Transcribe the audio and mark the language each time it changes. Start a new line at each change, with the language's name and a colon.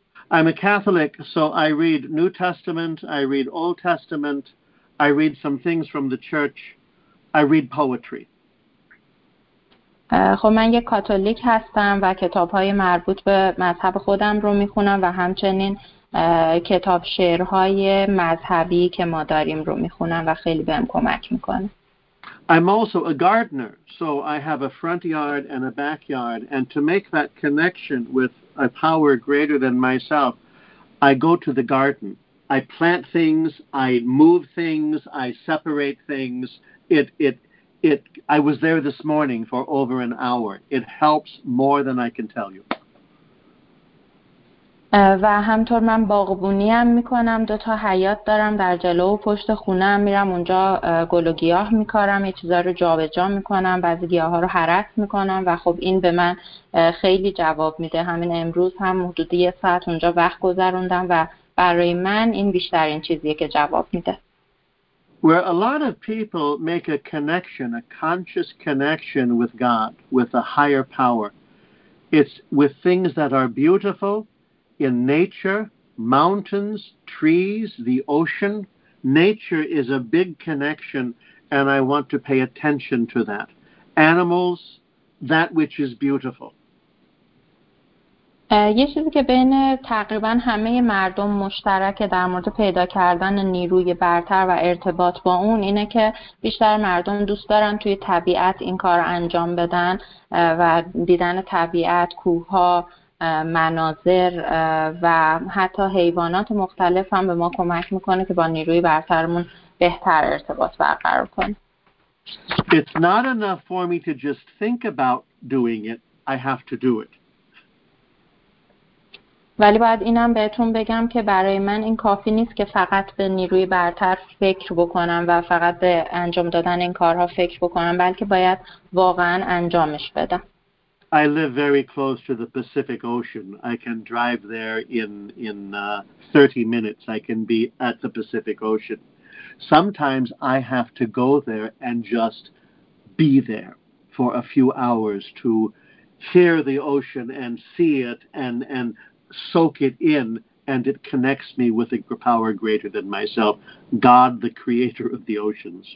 English: I'm a Catholic, so I read New Testament, I read Old Testament, I read some things from the church, I read poetry.
Persian: خب من یک کاتولیک هستم و کتاب‌های مربوط به مذهب خودم رو می‌خونم و همچنین کتاب شعرهای مذهبی که ما داریم رو می‌خونم و خیلی بهم کمک می‌کنه.
English: I'm also a gardener, so I have a front yard and a backyard, and to make that connection with a power greater than myself, I go to the garden. I plant things, I move things, I separate things. It I was there this morning for over an hour. It helps more than I can tell you.
Persian: و همطور من باغبونی هم میکنم دو تا حیاط دارم در جلو و پشت خونه هم میرم اونجا گل و گیاه میکارم یه چیزا رو جابجا میکنم بعضی گیاه ها رو حرس میکنم و خب این به من خیلی جواب میده همین امروز هم حدود یه ساعت اونجا وقت گذروندم و برای من این بیشترین چیزیه که جواب میده
English: Where a lot of people make a connection, a conscious connection with God, with a higher power, it's with things that are beautiful, in nature, mountains, trees, the ocean. Nature is a big connection, and I want to pay attention to that. Animals, that which is beautiful.
Persian: یه چیزی که بین تقریبا همه مردم مشترک در مورد پیدا کردن نیروی برتر و ارتباط با اون اینه که بیشتر مردم دوست دارن توی طبیعت این کار انجام بدن و دیدن طبیعت، کوه‌ها، مناظر و حتی حیوانات مختلف هم به ما کمک میکنه که با نیروی برترمون بهتر ارتباط برقرار کنیم.
English: It's not enough for me to just think about doing it. I have to do it.
Persian: ولی باید اینم بهتون بگم که برای من این کافی نیست که فقط به نیروی برتر فکر بکنم و فقط به انجام دادن این کارها فکر بکنم بلکه باید واقعا انجامش بدم.
English: I live very close to the Pacific Ocean. I can drive there in 30 minutes. I can be at the Pacific Ocean. Sometimes I have to go there and just be there for a few hours to hear the ocean and see it and soak it in, and it connects me with a power greater than myself, God, the creator of the oceans.